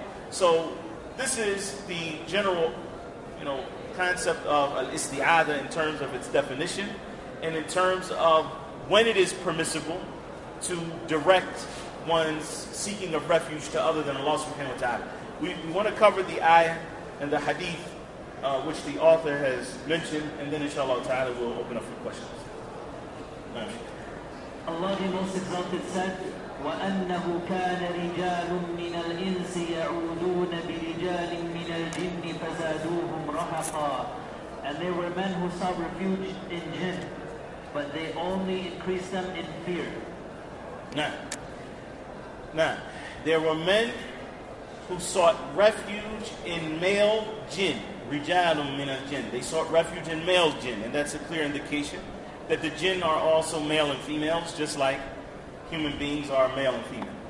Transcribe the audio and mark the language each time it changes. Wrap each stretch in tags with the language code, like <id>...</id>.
<en>So this is the general, you know, concept of al-isti'adha in terms of its definition and in terms of when it is permissible to direct one's seeking of refuge to other than Allah subhanahu wa ta'ala. We want to cover the ayah and the hadith which the author has mentioned, and then inshallah ta'ala we'll open up for questions. Allah the Most Exalted said,</en> <ar>وَأَنَّهُ كَانَ رِجَالٌ مِّنَ الْإِنسِ يَعُودُونَ بِرِجَالٍ مِّنَ الْجِنِّ فَزَادُوهُمْ رَحَقًا.</ar> <en>And there were men who sought refuge in jinn, but they only increased them in fear. Now, there were men who sought refuge in male jinn.</en> <ar>رِجَالٌ مِّنَ الْجِنِّ.</ar> <en>They sought refuge in male jinn, and that's a clear indication that the jinn are also male and females, just like human beings are male and female.</en>